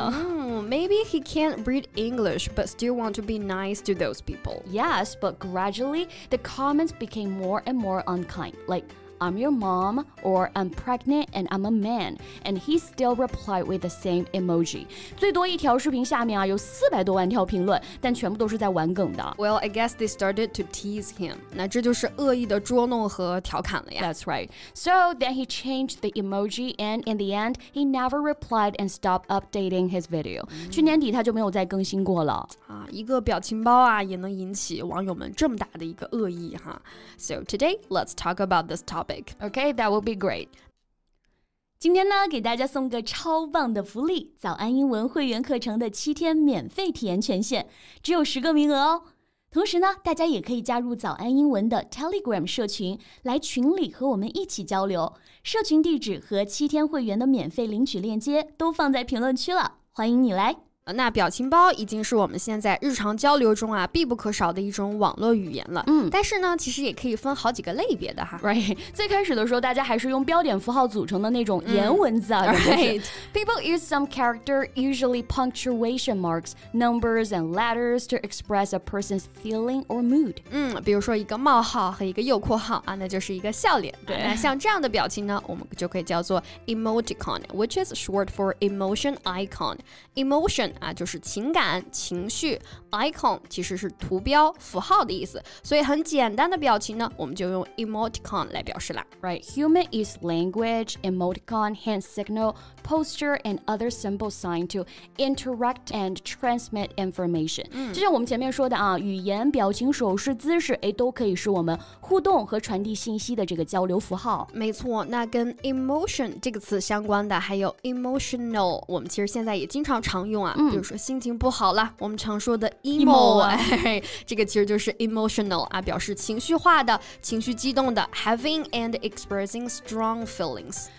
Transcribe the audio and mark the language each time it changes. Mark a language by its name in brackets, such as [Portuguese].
[English] Maybe he can't read English, but still want to be nice to those people. Yes, but gradually, the comments became more and more unkind. Like, I'm your mom, or I'm pregnant, and I'm a man. And he still replied with the same emoji. [Chinese] 最多一条视频下面啊，有四百多万条评论，但全部都是在玩梗的。 [English] Well, I guess they started to tease him. [Chinese] 那这就是恶意的捉弄和调侃了呀。 [English] That's right. So then he changed the emoji, and in the end, he never replied and stopped updating his video. [Chinese] 去年底他就没有再更新过了。一个表情包啊，也能引起网友们这么大的一个恶意哈。 [English] So today, let's talk about this topic. Okay, that would be great. [Chinese] 今天呢，给大家送个超棒的福利，早安英文会员课程的七天免费体验权限，只有十个名额哦。同时呢，大家也可以加入早安英文的 Telegram 社群，来群里和我们一起交流。社群地址和七天会员的免费领取链接都放在评论区了，欢迎你来。那表情包已经是我们现在日常交流中啊必不可少的一种网络语言了。但是呢，其实也可以分好几个类别的哈。 Right， 最开始的时候，大家还是用标点符号组成的那种颜文字啊。 [English] Right， people use some character, usually punctuation marks, numbers, and letters to express a person's feeling or mood。 [Chinese] 比如说一个冒号和一个右括号啊，那就是一个笑脸。对，那像这样的表情呢，我们就可以叫做 emoticon， [English] which is short for emotion icon。 [Chinese] emotion啊，就是情感、情绪。Icon 其实是图标、符号的意思，所以很简单的表情呢，我们就用 emoticon 来表示了。 [English] Right, human is language, emoticon, hand signal, posture, and other symbol sign to interact and transmit information. [Chinese] 就像我们前面说的啊，语言、表情、手势、姿势，哎，都可以是我们互动和传递信息的这个交流符号。没错，那跟 emotion 这个词相关的还有 emotional， 我们其实现在也经常常用啊。比如说心情不好了，我们常说的 emo， 这个其实就是 emotional 啊，表示情绪化的、情绪激动的 ， [English] having and expressing strong feelings。